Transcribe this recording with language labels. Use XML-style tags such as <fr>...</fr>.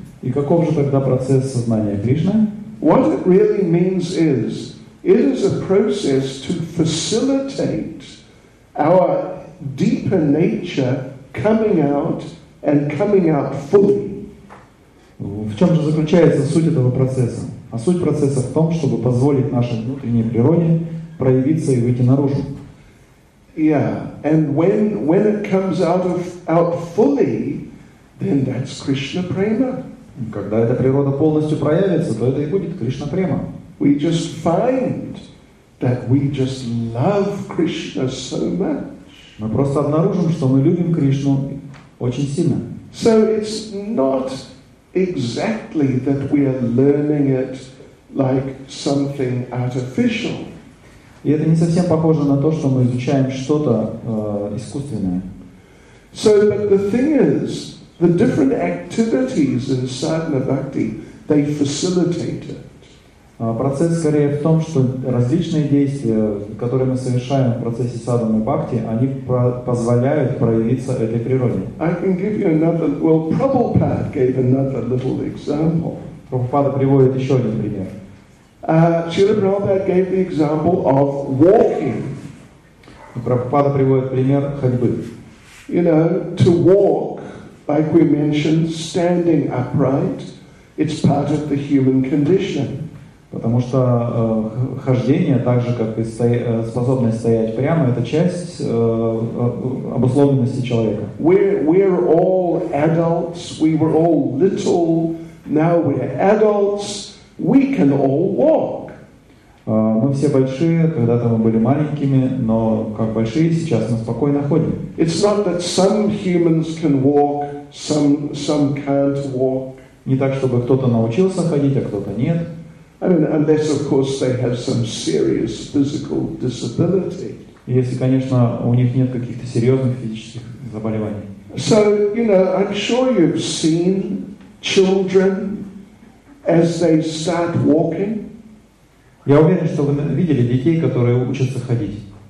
<ru>И каков же тогда процесс сознания Кришны?</ru> <en>What it really means is, it is a process to facilitate our deeper nature coming out and coming out fully.</en> <ru>В чем же заключается суть этого процесса? А суть процесса в том, чтобы позволить нашей внутренней природе проявиться и выйти наружу.</ru> <en>Yeah, and when it comes out fully, then that's Krishna prema.</en> <ru>Когда эта природа полностью проявится, то это и будет Кришна према.</ru> <en>We just find that we just love Krishna so much.</en> <ru>Мы просто обнаружим, что мы любим Кришну очень сильно.</ru> <en>So it's not exactly that we are learning it like something artificial.</en> <ru>И это не совсем похоже на то, что мы изучаем что-то искусственное.</ru> <en>So but the thing is, the different activities in sadhana bhakti, they facilitate it.</en> <ru>Процесс скорее в том, что различные действия, которые мы совершаем в процессе садханы бхакти, они позволяют проявиться этой природе.</ru> <en>I can give you another. Well, Prabhupada gave another little example.</en> <ru>Прабхупада приводит еще один пример.</ru> <en>Srila Prabhupada gave the example of walking.</en> <ru>Прабхупада приводит пример ходьбы.</ru> <en>You know, to walk. Like we mentioned, standing upright, it's part of the human condition.</en> <ru>Потому что хождение, так же как и способность стоять прямо, это часть обусловленности человека.</ru> <en>We're all adults. We were all little. Now we're adults. We can all walk.</en> <ru>Мы все большие. Когда-то мы были маленькими, но как большие сейчас мы спокойно ходим.</ru> <en>It's not that some humans can walk. Some can't walk.</en> <ru>Не так, чтобы кто-то научился ходить, а кто-то нет.</ru> <en>I mean, unless, of course, they have some serious physical disability.</en> <ru>Если, конечно, у них нет каких-то серьезных физических заболеваний.</ru> <en>So, you know, I'm sure you've seen children as they start walking.</en> <ru>Я уверен, что вы видели детей, которые учатся ходить.</ru>